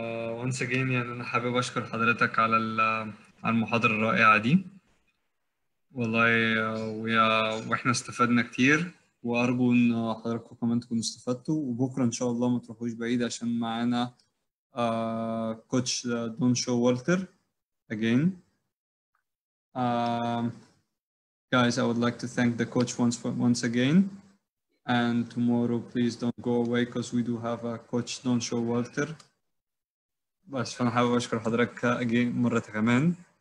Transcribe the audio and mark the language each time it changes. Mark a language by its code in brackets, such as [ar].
[en] once again [ar] يعني أنا حابب أشكر حضرتك على المحاضرة الرائعة دي والله، وإحنا استفدنا كتير، وأرجو أن حضرتكم كمان تكونوا استفدتوا، وبكرة إن شاء الله ما تروحوش بعيد عشان معنا كوتش دون شو والتر أجين. [en] Guys, I would like to thank the coach once again. And tomorrow, please don't go away because we do have a coach, Don Show Walter. [ar] بس فأنا حابب أشكر حضرتك أجين مرة كمان.